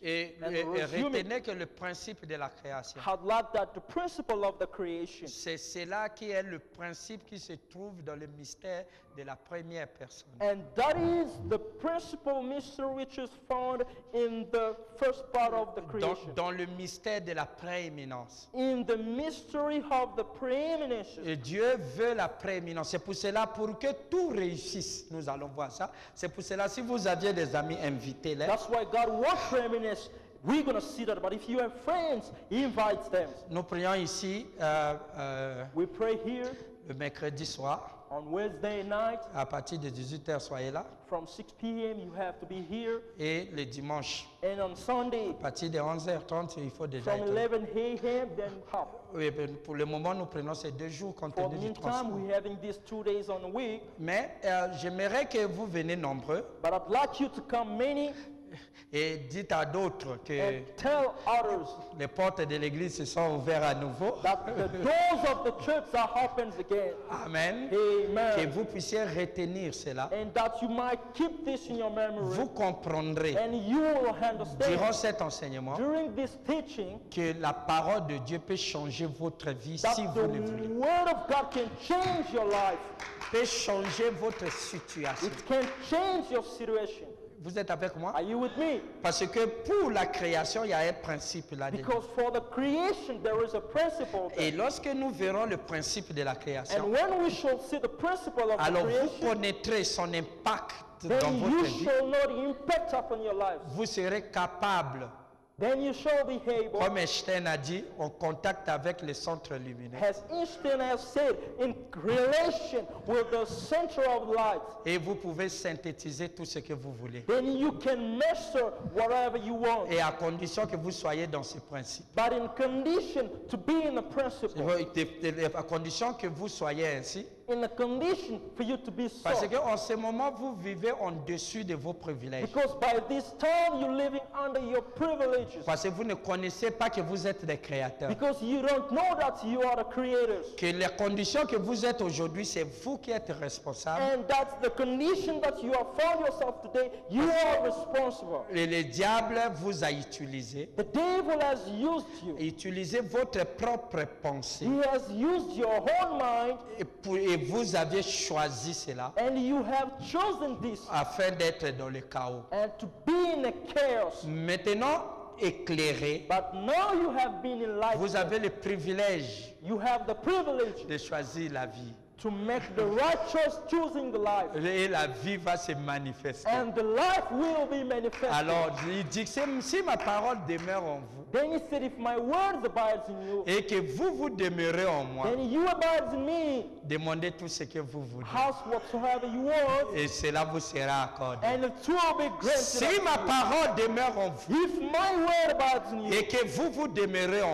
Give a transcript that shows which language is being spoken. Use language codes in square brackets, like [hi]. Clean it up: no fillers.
[fr] Et retenez que le principe de la création. [en] I'd like that the principle of the creation. [fr] C'est cela qui est le principe qui se trouve dans le mystère de la première personne. [en] And that is the principal mystery which is found in the first part of the creation. [fr] Dans le mystère de la prééminence. [en] In the mystery of the preeminence. [fr] Et Dieu veut la prééminence. C'est pour cela, pour que tout réussisse, nous allons voir ça. C'est pour cela, si vous aviez des amis. [en] That's why God wants preeminence. We're going to see that. But if you have friends, he invites them. [fr] Nous prions ici, [en] we pray here. [fr] Le mercredi soir. [en] On Wednesday night. [fr] À partir de 18h, soyez là. [en] From 6 p.m., you have to be here. [fr] Et le dimanche. [en] And on Sunday. [fr] À partir de 11h30, il faut déjà [en] from [fr] être [en] 11 a.m., then how? [fr] Oui, ben pour le moment, nous prenons ces deux jours compte tenu du transport. [en] For the meantime, we're having these 2 days on the week. [fr] Mais j'aimerais que vous venez nombreux. [en] But I'd like you to come many. [fr] Et dites à d'autres que [en] tell others [fr] les portes de l'église se sont ouvertes à nouveau. [en] That the doors of the church are open again. Amen. Amen. [fr] Que vous puissiez retenir cela. [en] And that you might keep this in your memory. [fr] Vous comprendrez [en] and you will understand [fr] durant cet enseignement [en] during this teaching [fr] que la parole de Dieu peut changer votre vie si vous le voulez. [en] The word of God can change your life. [fr] Peut changer votre situation. [en] It can change your situation. [fr] Vous êtes avec moi? [en] Are you with me? [fr] Parce que pour la création, il y a un principe là-dedans. [en] Because for the creation, there is a principle there. [fr] Et lorsque nous verrons le principe de la création, [en] and when we shall see the principle of [fr] alors [en] creation, [fr] vous connaîtrez son impact [en] then [fr] dans [en] you [fr] votre [en] shall [fr] vie. [en] Know the impact upon your life. [fr] Vous serez capable [en] Then you shall be able, [fr] comme Einstein a dit, en contact avec le centre lumineux. [en] As Einstein has said, in relation with the center of light. [fr] Et vous pouvez synthétiser tout ce que vous voulez. [en] Then you can measure whatever you want. [fr] Et à condition que vous soyez dans ce principe. [en] But in condition to be in the principle. [fr] À condition que vous soyez ainsi. [en] In a condition for you to be so. [fr] Parce que en ce moment vous vivez en dessus de vos privilèges. [en] Because by this time you're living under your privileges. [fr] Parce que vous ne connaissez pas que vous êtes des créateurs. [en] Because you don't know that you are the creators. [fr] Que les conditions que vous êtes aujourd'hui, c'est vous qui êtes responsable. [en] And that's the condition that you have found yourself today, you are responsible. [fr] Et le diable vous a utilisé. [en] The devil has used you. [fr] Utilisé votre propre pensée. [en] He has used your whole mind. [fr] Et vous aviez choisi cela [en] and you have chosen this [fr] afin d'être dans le chaos. [en] And to be in a chaos. [fr] Maintenant éclairé, [en] but now you have been enlightened. [fr] Vous avez le privilège, [en] you have the privilege [fr] de choisir la vie. [en] To make the righteous choosing the life. [fr] Et la vie va se manifester. [en] And the life will be manifested. [fr] Alors, il dit que si ma parole demeure en vous. [en] Then he said, if my word abides in you. [fr] Et que vous vous demeurez en moi. [en] Then you abide in me. [fr] Demandez tout ce que vous voulez. [en] Ask whatsoever you want. [fr] Et cela vous sera accordé. [en] And it will be granted. [fr] Si ma parole demeure en vous. [en] If my word abides in you. [fr] Et que vous vous demeurez en